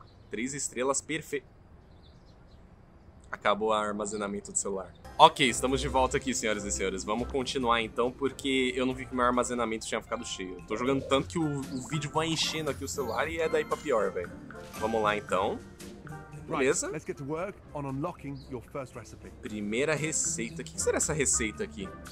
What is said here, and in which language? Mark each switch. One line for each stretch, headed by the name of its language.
Portuguese: 3 estrelas, perfeito. Acabou o armazenamento do celular. Ok, estamos de volta aqui, senhoras e senhores. Vamos continuar, então, porque eu não vi que meu armazenamento tinha ficado cheio. Tô jogando tanto que o vídeo vai enchendo aqui o celular e é daí pra pior, velho. Vamos lá, então. Beleza.
English: Let's get to work on unlocking your first recipe.
Portuguese: Primeira receita. O que será essa receita aqui?